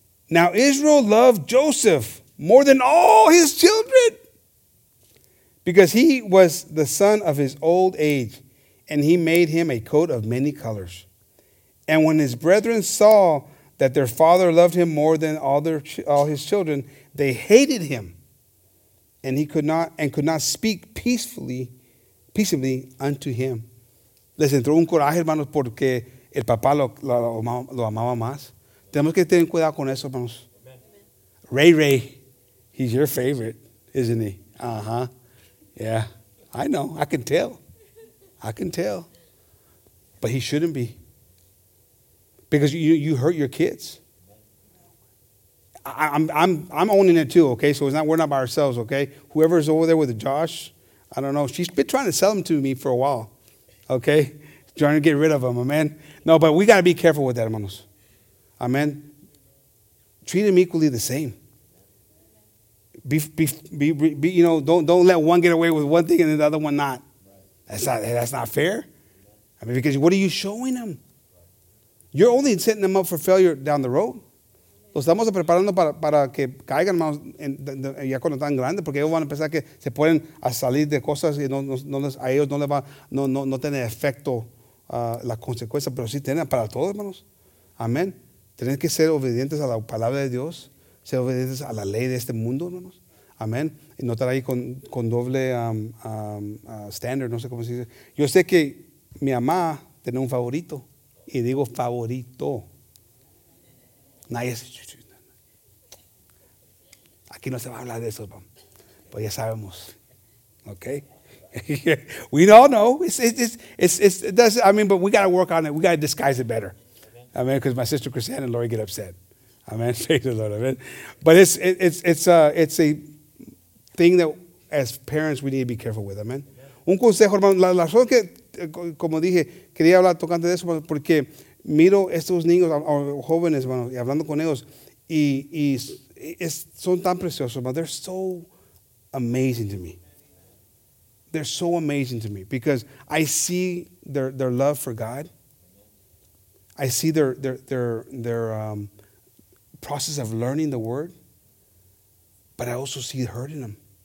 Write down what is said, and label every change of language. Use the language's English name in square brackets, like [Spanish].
[English] Now Israel loved Joseph more than all his children because he was the son of his old age and he made him a coat of many colors. And when his brethren saw that their father loved him more than all his children, they hated him and he could not speak peaceably unto him. [Spanish] Les entró un coraje, hermanos, porque el papá lo amaba más. Tenemos que tener cuidado con eso, hermanos. Ray Ray, [English] he's your favorite, isn't he? [Spanish] Uh-huh. [English] Yeah, I know. I can tell. But he shouldn't be. Because you hurt your kids. I'm owning it too, okay? So we're not by ourselves, okay? Whoever's over there with Josh, I don't know. She's been trying to sell him to me for a while, okay? Trying to get rid of him, amen? No, but we got to be careful with that, hermanos. Amen. Treat them equally the same. Be, you know, don't let one get away with one thing and the other one not. That's not fair. I mean, because what are you showing them? You're only setting them up for failure down the road. [Spanish] Los estamos preparando para que caigan más ya cuando están grandes porque ellos van a pensar que se pueden salir de cosas y a ellos no les va no tiene efecto la consecuencia, pero sí tiene para todos, hermanos. Amén. Tienen que ser obedientes a la palabra de Dios, ser obedientes a la ley de este mundo, hermanos. Amén. Y no estar ahí con doble standard, no sé cómo se dice. Yo sé que mi mamá tiene un favorito. Y digo favorito. Nadie se... Aquí no se va a hablar de eso, pero pues ya sabemos. [English] ¿Ok? We all know. It's, I mean, but we got to work on it. We got to disguise it better. Amen. Because my sister Chrisanne and Lori get upset. Amen. Praise the Lord. Amen. But it's a thing that as parents we need to be careful with. [Spanish] Amen. Un consejo, hermano. La razón que, como dije, quería hablar tocante de eso porque miro estos niños o jóvenes, hermano, y hablando con ellos y son tan preciosos, hermano. [English] They're so amazing to me. They're so amazing to me because I see their love for God. I see their process of learning the word, but I also see hurt in them.